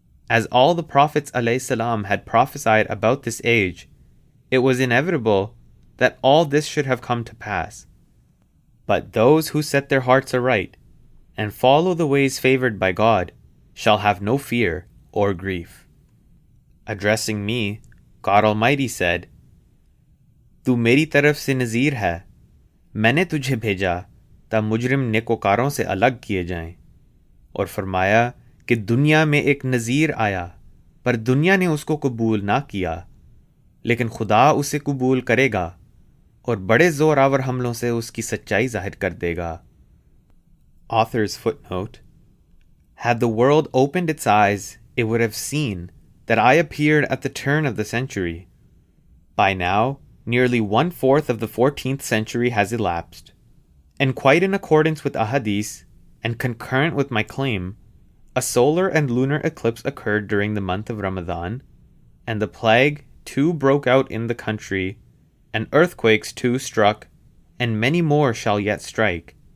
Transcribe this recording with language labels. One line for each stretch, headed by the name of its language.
English: As all the prophets alayhi salam had prophesied about this age, it was inevitable that all this should have come to pass. But those who set their hearts aright and follow the ways favored by God shall have no fear or grief. Addressing me, God Almighty said,
Urdu: تو میری طرف سے نذیر ہے۔ میں نے تجھے بھیجا تا مجرم نیکوکاروں سے الگ کیے جائیں۔ اور فرمایا کہ دنیا میں ایک نذیر آیا، پر دنیا نے اس کو قبول نہ کیا۔ لیکن خدا اسے قبول کرے گا، اور بڑے زورآور حملوں سے اس کی سچائی ظاہر کر دے گا۔
English: Author's footnote. Had the world opened its eyes, it would have seen that I appeared at the turn of the century. By now, nearly one-fourth of the 14th century has elapsed, and quite in accordance with Ahadith, and concurrent with my claim, a solar and lunar eclipse occurred during the month of Ramadan, and the plague too broke out in the country, and earthquakes too struck, and many more shall yet strike.